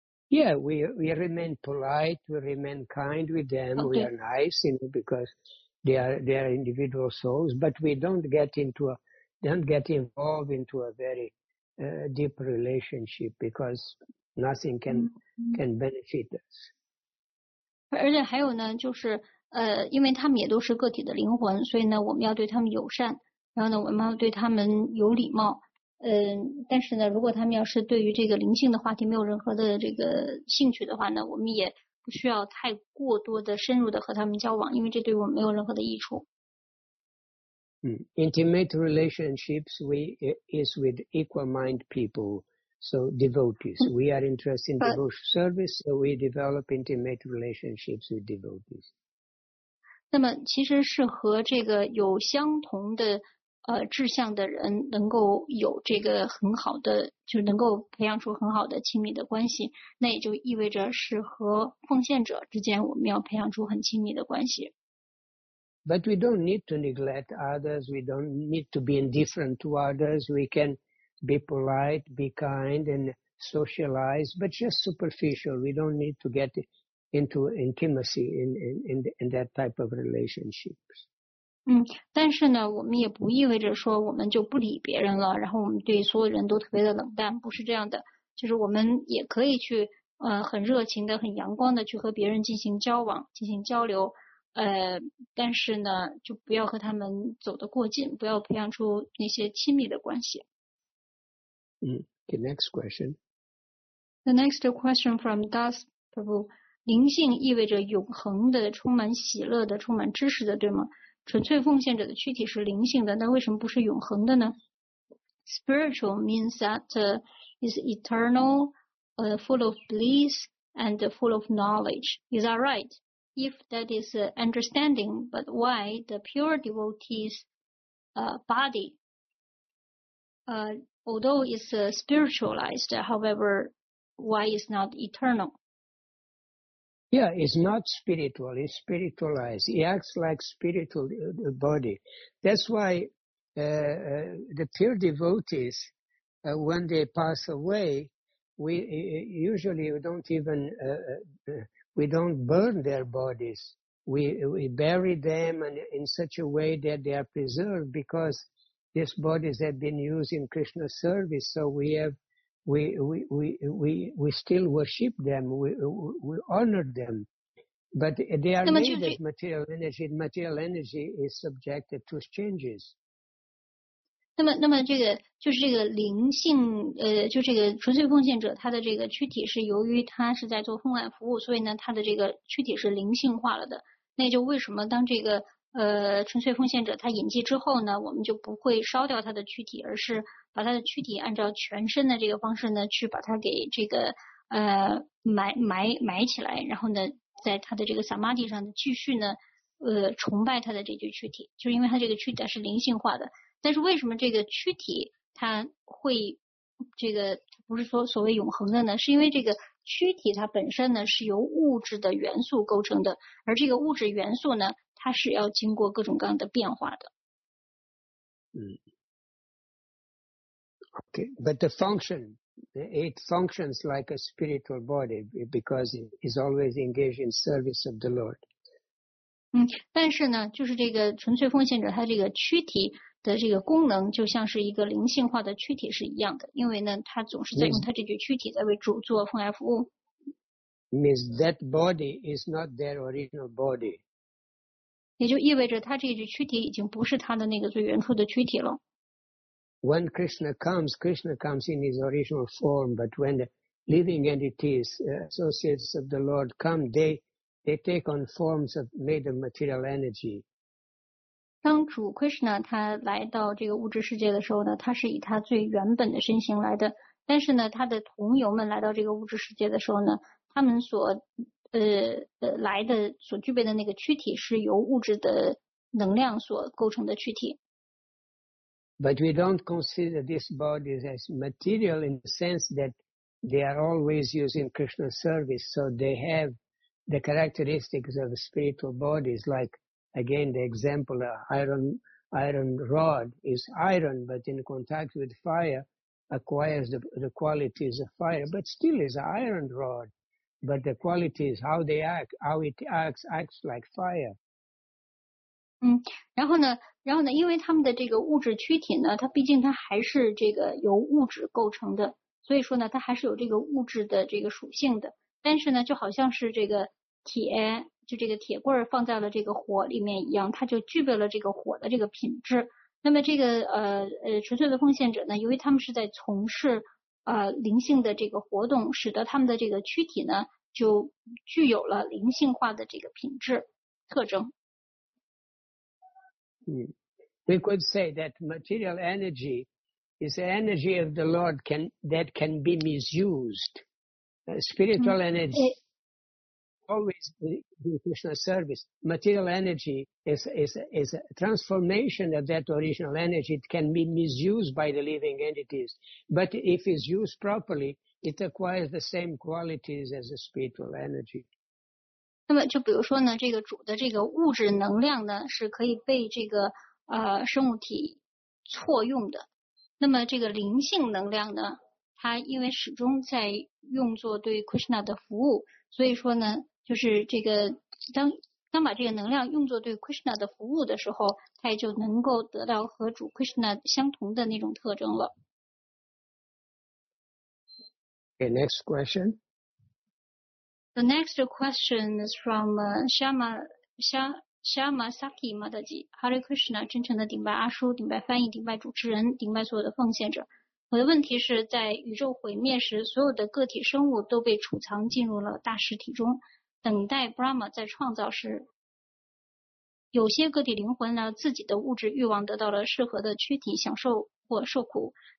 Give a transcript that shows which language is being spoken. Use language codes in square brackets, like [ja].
[en] Yeah, we remain polite, we remain kind with them, okay. We are nice, you know, because they are individual souls, but we don't get involved into a very deep relationship because nothing can benefit us. [zh] 而且还有呢，就是因为他们也都是个体的灵魂，所以呢，我们要对他们友善，然后呢，我们要对他们有礼貌。但是呢，如果他们要是对于这个灵性的话题没有任何的这个兴趣的话呢，我们也不需要太过多的深入的和他们交往，因为这对我们没有任何的益处。 [en] Intimate relationships is with equal mind people, so devotees. We are interested in devotional service, so we develop intimate relationships with devotees. [zh] 那么其实是和这个有相同的志向的人能够有这个很好的，就能够培养出很好的亲密的关系，那也就意味着是和奉献者之间我们要培养出很亲密的关系。 [en] But we don't need to neglect others. We don't need to be indifferent to others. We can be polite, be kind, and socialize, but just superficial. We don't need to get into intimacy in that type of relationships. [zh] 但是呢，我们也不意味着说我们就不理别人了，然后我们对所有人都特别的冷淡，不是这样的。就是我们也可以去很热情的、很阳光的去和别人进行交往、进行交流。但是呢，就不要和他们走得过近，不要培养出那些亲密的关系。 [en] Okay, next question. The next question from Das Prabhu. [zh] 灵性意味着永恒的、充满喜乐的、充满知识的，对吗？纯粹奉献者的躯体是灵性的，那为什么不是永恒的呢？ [en] Spiritual means that is eternal, full of bliss and full of knowledge. Is that right? If that is understanding, but why the pure devotee's body, although it's spiritualized, however, why is not eternal? Yeah, it's not spiritual, it's spiritualized. It acts like spiritual body. That's why the pure devotees, when they pass away, we don't burn their bodies. We bury them in such a way that they are preserved because these bodies have been used in Krishna's service, so we still worship them, we honor them, but they are made as material energy. Material energy is subjected to changes. [zh] 那么这个就是这个灵性，就这个纯粹奉献者，他的这个躯体是由于他是在做奉献服务，所以呢，他的这个躯体是灵性化了的。那就为什么当这个纯粹奉献者他隐寂之后呢，我们就不会烧掉他的躯体，而是把他的躯体按照全身的这个方式呢去把他给这个埋起来，然后呢在他的这个萨玛蒂上继续呢崇拜他的这具躯体，就是因为他这个躯体是灵性化的。但是为什么这个躯体它会这个不是说所谓永恒的呢？是因为这个躯体它本身呢是由物质的元素构成的，而这个物质元素呢它是要经过各种各样的变化的。嗯。 [en] Okay, but the function, it functions like a spiritual body because it is always engaged in service of the Lord. [zh] 嗯，但是呢，就是这个纯粹奉献者，他这个躯体的这个功能就像是一个灵性化的躯体是一样的，因为呢，他总是在用他这具躯体在为主做奉献服务。 [en] Means that body is not their original body. [zh] 也就意味着他这具躯体已经不是他的那个最原初的躯体了。 [en] When Krishna comes, Krishna comes in his original form, but when the living entities, associates of the Lord come, they take on forms of made of material energy. [zh] 当主 Krishna 他来到这个物质世界的时候呢，他是以他最原本的身形来的，但是呢，他的同游们来到这个物质世界的时候呢，他们所来的所具备的那个躯体是由物质的能量所构成的躯体。 [en] But we don't consider these bodies as material in the sense that they are always used in Krishna service, so they have the characteristics of spiritual bodies. Like again, the example, iron rod is iron, but in contact with fire acquires the qualities of fire, but still is an iron rod. But the qualities, how they act, how it acts like fire. [zh] 嗯，然后呢，因为他们的这个物质躯体呢，它毕竟它还是这个由物质构成的，所以说呢，它还是有这个物质的这个属性的。但是呢，就好像是这个铁，就这个铁棍放在了这个火里面一样，它就具备了这个火的这个品质。那么这个纯粹的奉献者呢，由于他们是在从事。灵性的这个活动使得他们的这个躯体呢就具有了灵性化的这个品质特征。 [en] We could say that material energy is the energy of the Lord that can be misused. Spiritual energy always in Krishna service. Material energy is a transformation of that original energy. It can be misused by the living entities. But if it's used properly, it acquires the same qualities as a spiritual energy. [zh] 那么就比如说呢，这个主的这个物质能量呢，是可以被这个生物体错用的。那么这个灵性能量呢，它因为始终在用作对 Krishna 的服务，所以说呢。就是这个当把这个能量用作对 Krishna 的服务的时候，它也就能够得到和主 Krishna 相同的那种特征了。 [en] Okay, next question. The next question is from Shama Saki Madaji. [zh] Hare Krishna, 真诚的顶拜阿叔，顶拜翻译，顶拜主持人，顶拜所有的奉献者。我的问题是在宇宙毁灭时，所有的个体生物都被储藏进入了大实体中。等待 Brahma 在创造时，有些个体灵魂呢，自己的物质欲望得到了适合的躯体，享受或受苦。